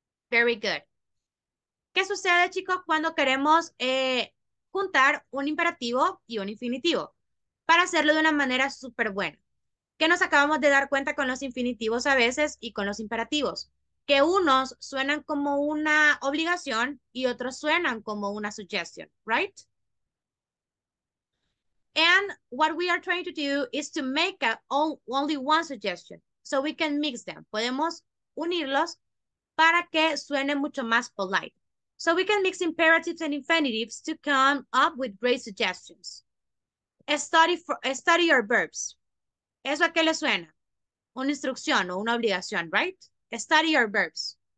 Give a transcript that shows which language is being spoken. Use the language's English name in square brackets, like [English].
[English] Very good. [Spanish] ¿Qué sucede, chicos, cuando queremos juntar un imperativo y un infinitivo? Para hacerlo de una manera súper buena. ¿Qué nos acabamos de dar cuenta con los infinitivos a veces y con los imperativos? Que unos suenan como una obligación y otros suenan como una suggestion, [English] right? And what we are trying to do is to make only one suggestion. So we can mix them. [Spanish] Podemos unirlos para que suene mucho más polite. [English] So we can mix imperatives and infinitives to come up with great suggestions. Study your verbs. [Spanish] ¿Eso a qué le suena? Una instrucción o una obligación, [English] right? Study your verbs.